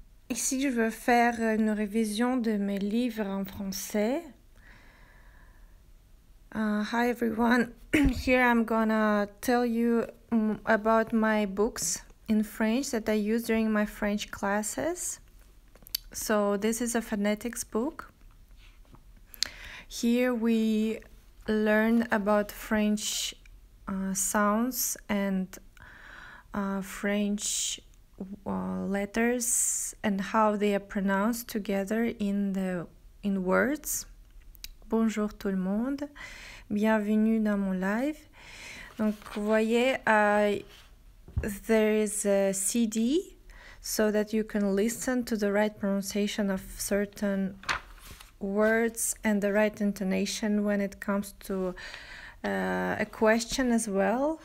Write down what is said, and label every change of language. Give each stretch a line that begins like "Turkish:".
French: Ici, je veux faire une révision de mes livres en français.
English: Hi everyone. Here I'm gonna tell you about my books in French that I use during my French classes. So this is a phonetics book. Here we learn about French sounds and French letters and how they are pronounced together in words.
French: Bonjour tout le monde, bienvenue dans mon live. Donc vous voyez,
English: there is a CD so that you can listen to the right pronunciation of certain words and the right intonation when it comes to a question as well.